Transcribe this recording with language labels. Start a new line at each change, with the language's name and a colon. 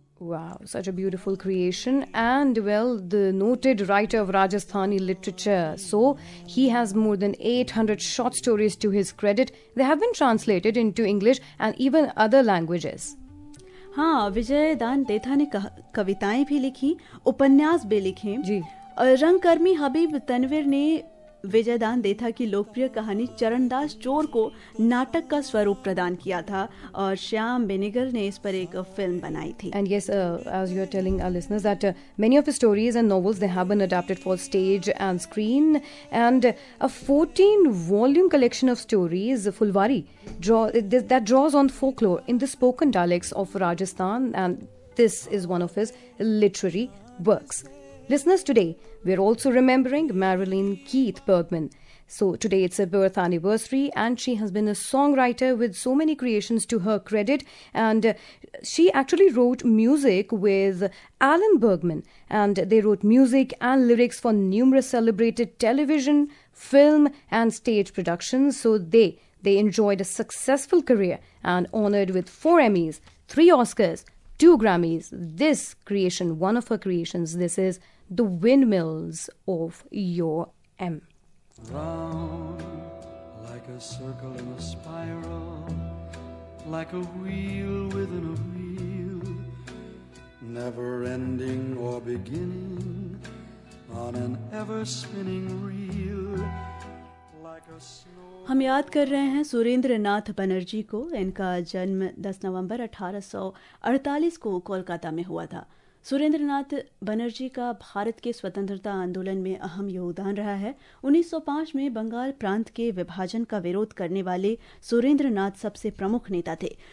English: Wow, such a beautiful creation. And well, the noted writer of Rajasthani literature. So he has more than 800 short stories to his credit. They have been translated into English and even other languages.
Hindi: हाँ, विजय दान देथा ने कविताएं भी लिखी, उपन्यास भी लिखे जी। रंगकर्मी हबीब तनवीर ने विजय दान देथा की लोकप्रिय कहानी चरणदास चोर को नाटक का स्वरूप प्रदान किया था और श्याम बेनेगल ने इस पर एक फिल्म बनाई थी।
English: And yes, as you are telling our listeners that many of the stories and novels they have been adapted for stage and screen and a 14 volume collection of stories Phulwari that draws on folklore in the spoken dialects of Rajasthan and this is one of his literary works. Listeners, today we are also remembering Marilyn Keith Bergman. So today it's her birth anniversary, and she has been a songwriter with so many creations to her credit. And she actually wrote music with Alan Bergman, and they wrote music and lyrics for numerous celebrated television, film, and stage productions. So they enjoyed a successful career and honored with 4 Emmys, 3 Oscars, 2 Grammys. This creation, one of her creations, this is The Windmills of Your M. Round, like a circle in a spiral, like a wheel within a wheel, never ending or beginning, on an ever-spinning reel.
Hindi: हम याद कर रहे हैं सुरेंद्रनाथ बनर्जी को। इनका जन्म 10 नवंबर 1848 को कोलकाता में हुआ था। सुरेंद्रनाथ बनर्जी का भारत के स्वतंत्रता आंदोलन में अहम योगदान रहा है। 1905 में बंगाल प्रांत के विभाजन का विरोध करने वाले सुरेंद्रनाथ सबसे प्रमुख नेता थे।